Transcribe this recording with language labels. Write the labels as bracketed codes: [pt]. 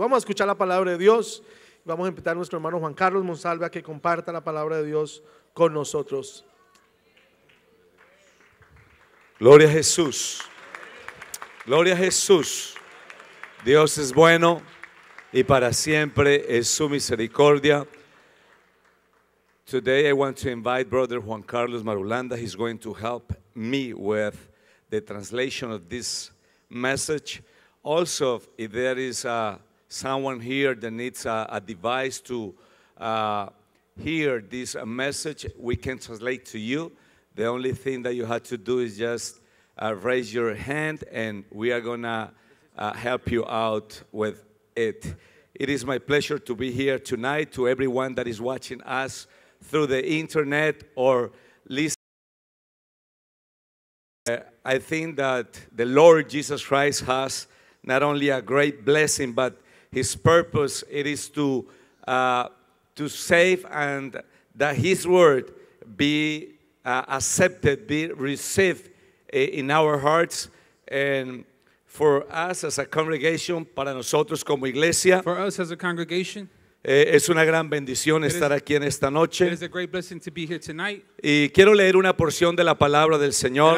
[es] Vamos a escuchar la palabra de Dios. Vamos a invitar a nuestro hermano Juan Carlos Monsalve a que comparta la palabra de Dios con nosotros. Gloria a Jesús. Gloria a Jesús. Dios es bueno y para siempre es su misericordia. [en] Today I want to invite Brother Juan Carlos Marulanda. He's going to help me with the translation of this message. Also, if there is someone here that needs a device to hear this message, we can translate to you. The only thing that you have to do is just raise your hand and we are going to help you out with it. It is my pleasure to be here tonight. To everyone that is watching us through the internet or listening, I think that the Lord Jesus Christ has not only a great blessing, but his purpose, it is to save and that his word be accepted, be received in our hearts, and for us as a congregation, [es] para nosotros como iglesia, [en] for us as a congregation, [es] es una gran bendición estar aquí en esta noche. [en] It is a great blessing to be here tonight. [es] Y quiero leer una porción de la palabra del Señor.